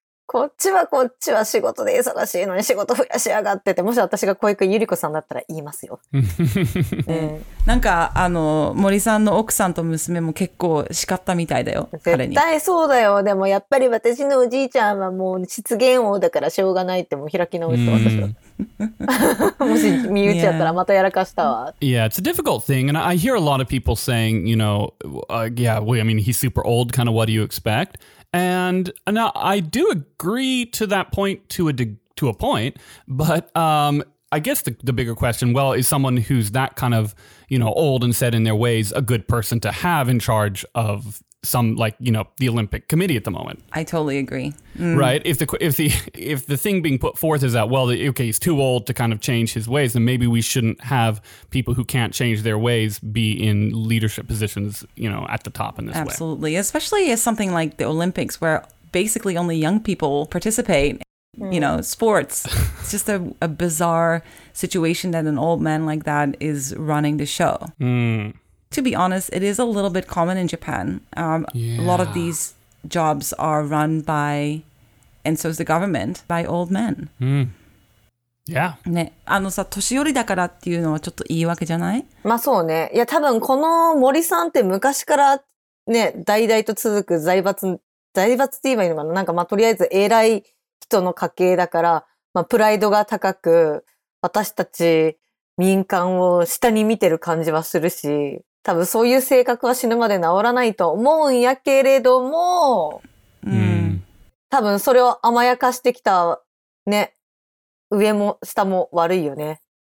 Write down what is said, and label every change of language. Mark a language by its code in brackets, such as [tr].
[ja] こっちはこっちは仕事で忙しいのに仕事増やしやがってて、もし私が小池百合子さんだったら言いますよ。なんか、森さんの奥さんと娘も結構叱ったみたいだよ、彼に。絶対そうだよ。でもやっぱり私のおじいちゃんはもう失言王だからしょうがないってもう開き直してました。 [en] Yeah, it's a difficult thing. And I hear a lot of people saying, you know, he's super old, kind of what do you expect? And I do agree to that point to a point. But I guess the bigger question, well, is someone who's that kind of, you know, old and set in their ways a good person to have in charge of some, like, you know, the Olympic committee at the moment? I totally agree. Right? If the thing being put forth is that, well, okay, he's too old to kind of change his ways, then maybe we shouldn't have people who can't change their ways be in leadership positions, you know, at the top in this way. Absolutely. Especially if something like the Olympics, where basically only young people participate, you know, sports. It's just a bizarre situation that an old man like that is running the show. To be honest, it is a little bit common in Japan. A lot of these jobs are run by, and so is the government, by old men. Yeah. [ja] ね、あのさ、年寄りだからっていうのはちょっと言い訳じゃない？まあそうね。いや、多分この森さんって昔からね、代々と続く財閥って言えばいいのかな？なんかまあとりあえず偉い人の家系だから、まあプライドが高く、私たち民間を下に見てる感じはするし、多分そういう性格は死ぬまで治らないと思うんやけれども、多分それを甘やかしてきたね、上も下も悪いよね。